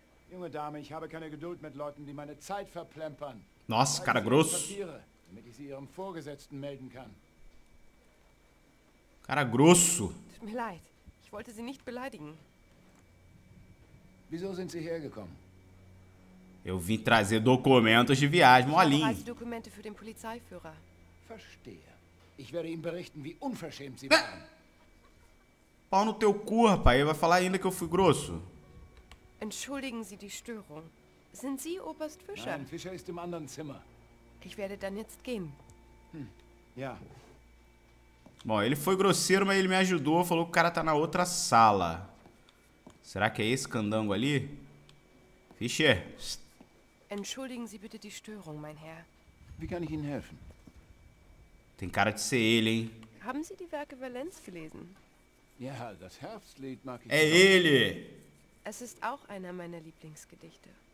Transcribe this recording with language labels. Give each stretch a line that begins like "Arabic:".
German: Junge Dame, ich habe keine Geduld mit Leuten, die meine Zeit verplempern.
Portuguese: Nossa, cara grosso.
German: Damit ich sie ihrem Vorgesetzten melden kann.
Portuguese: Cara grosso.
German: Tut mir leid. Ich wollte sie nicht beleidigen. Wieso sind sie hergekommen?
Portuguese: Eu vim trazer documentos de viagem, molinho.
German: Ich habe Dokumente für den Polizeiführer. Verstehe. Ich werde ihm berichten, wie unverschämt sie waren.
Portuguese: Pau no teu cu, rapaz. Ele vai falar ainda que eu fui grosso.
German: Entschuldigen Sie die Störung. Sind Sie Oberst Fischer? Nein, Fischer ist im anderen Zimmer. Ich werde dann jetzt gehen. Ja.
Portuguese: Bom, ele foi grosseiro, mas ele me ajudou. Falou que o cara tá na outra sala. Será que é esse candango ali?
German: Fischer. Entschuldigen Sie bitte die Störung, mein Herr. Wie kann ich Ihnen helfen?
Portuguese: Tem cara de ser ele, hein?
German: Haben Sie die Werke Valens gelesen? Ja, das Herbstlied mag ich.
Portuguese: É ele.
German: Es ist auch einer meiner Lieblingsgedichte.